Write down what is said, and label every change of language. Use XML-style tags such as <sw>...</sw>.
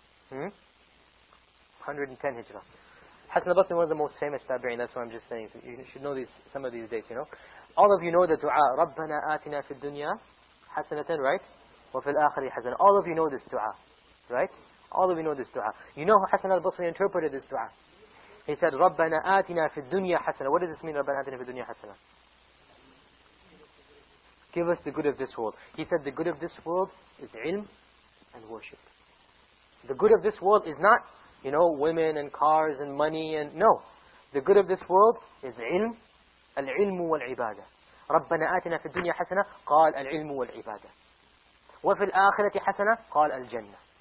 <en>110 Hijrah. Hassan al-Basri, one of the most famous tabi'i, that's what I'm just saying. So you should know some of these dates, you know. All of you know the dua,</en> <ar>رَبَّنَا آتِنَا فِي الدُّنْيَا حَسَنَةً,</ar> <en>right?</en> <ar>وَفِي الْآخِرِ حَسَنَةً.</ar> <en>All of you know this dua, right? All of you know this dua. You know how Hassan al-Basri interpreted this dua. He said,</en> <ar>رَبَّنَا آتِنَا فِي الدُّنْيَا حَسَنَةً.</ar> <en>What does this mean,</en> <ar>رَبَّنَا آتِنَا فِي الدُّنْيَا حَسَنَةً?</ar> <en>Give us the good of this world. He said, the good of this world is ilm and worship. The good of this world is not, you know, women and cars and money and... No. The good of this world is ilm,</en> <ar>al-ilmu wal-ibadah. رَبَّنَا آتِنَا فِي الدُّنْيَا حَسَنَةً, قَالْ الْعِلْمُ وَالْعِبَادَةِ. وَفِي الْآخِرَةِ حَسَنَةً, قَالْ الْجَنَّةِ.</ar>